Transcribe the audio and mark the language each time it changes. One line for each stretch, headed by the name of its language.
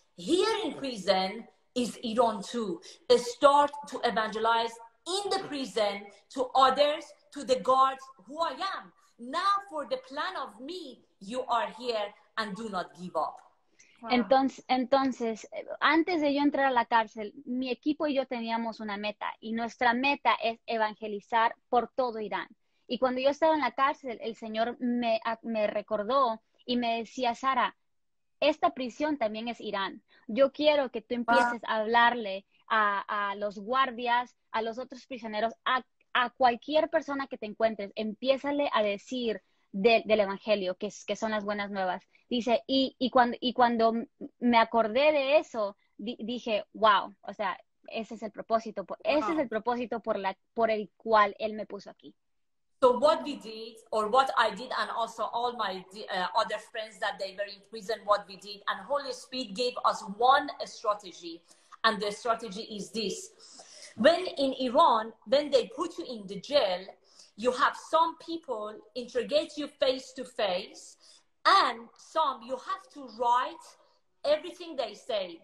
English: Here in prison is Iran too. Start to evangelize in the prison to others, to the guards, who I am. Now for the plan of me, you are here and do not give up.
Spanish: Entonces, antes de yo entrar a la cárcel, mi equipo y yo teníamos una meta, y nuestra meta es evangelizar por todo Irán. Y cuando yo estaba en la cárcel, el Señor me recordó y me decía, Sara, esta prisión también es Irán. Yo quiero que tú empieces a hablarle a los guardias, a los otros prisioneros, a cualquier persona que te encuentres, empiézale a decir del evangelio, que son las buenas nuevas. Dice, y cuando me acordé de eso, dije, wow, o sea, ese es el propósito, ese es el propósito por el cual él me puso aquí.
English: So what we did, or what I did, and also all my other friends that they were in prison, what we did, and Holy Spirit gave us one strategy, and the strategy is this. When in Iran, when they put you in the jail, you have some people interrogate you face to face, and some you have to write everything they say.